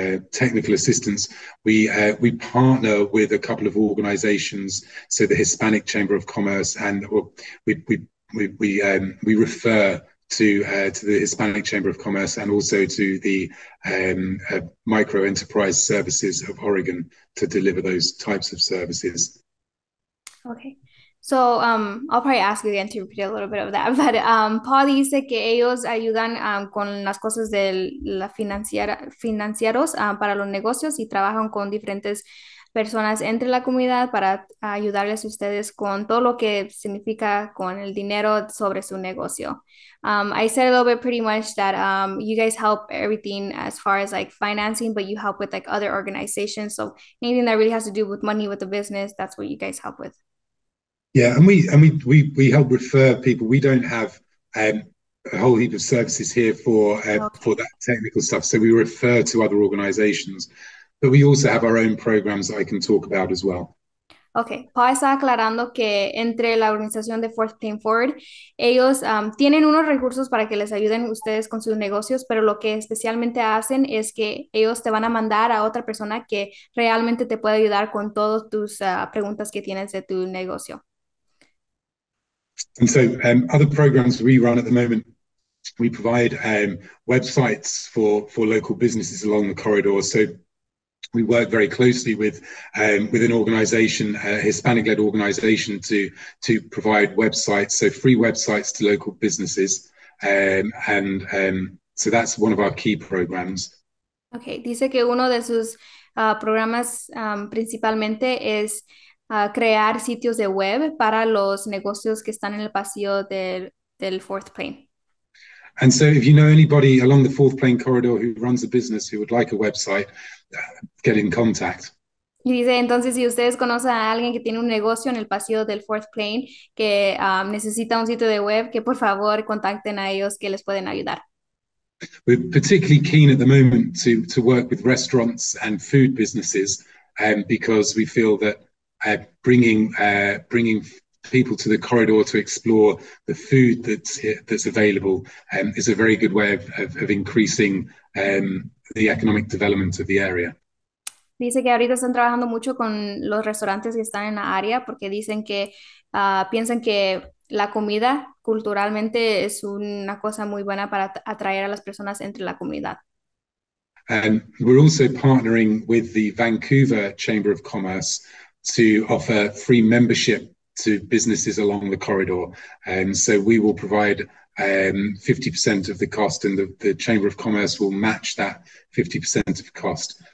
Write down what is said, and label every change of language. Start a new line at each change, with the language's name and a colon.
English: technical assistance, we partner with a couple of organizations, so the Hispanic Chamber of Commerce, and we refer to the Hispanic Chamber of Commerce and also to the Micro Enterprise Services of Oregon to deliver those types of services. Okay. So I'll probably ask you again to repeat a little bit of that.
Spanish: But Paul dice que ellos ayudan con las cosas de la financieros para los negocios y trabajan con diferentes personas entre la comunidad para ayudarles a ustedes con todo lo que significa con el dinero sobre su negocio.
English: I said a little bit pretty much that you guys help everything as far as like financing, but you help with like other organizations. So anything that really has to do with money with the business, that's what you guys help with. Yeah, and we help refer people. We don't have a whole heap of services here for that technical stuff. So we refer to other organizations, but we also have our own programs that I can talk about as well.
Spanish: Paul está aclarando que entre la organización de 14 Forward, ellos tienen unos recursos para que les ayuden ustedes con sus negocios, pero lo que especialmente hacen es que ellos te van a mandar a otra persona que realmente te puede ayudar con todas tus preguntas que tienes de tu negocio.
English: And so, other programs we run at the moment, we provide websites for local businesses along the corridor. So, we work very closely with an organization, a Hispanic-led organization, to provide websites, so free websites to local businesses. So, that's one of our key programs.
Spanish: Okay, dice que uno de sus programas principalmente es crear sitios de web para los negocios que están en el pasillo del fourth plane.
English: And so, if you know anybody along the fourth plane corridor who runs a business who would like a website, get in contact.
Spanish: Y dice, entonces, si ustedes conocen a alguien que tiene un negocio en el pasillo del fourth plane que necesita un sitio de web, que por favor contacten a ellos que les pueden ayudar.
English: We're particularly keen at the moment to work with restaurants and food businesses, because we feel that bringing people to the corridor to explore the food that's available, is a very good way of increasing the economic development of the area.
Spanish: Dice que ahorita están trabajando mucho con los restaurantes que están en la área porque dicen que piensan que la comida culturalmente es una cosa muy buena para atraer a las personas entre la comunidad.
English: And we're also partnering with the Vancouver Chamber of Commerce to offer free membership to businesses along the corridor. So we will provide 50% of the cost, and the Chamber of Commerce will match that 50% of cost.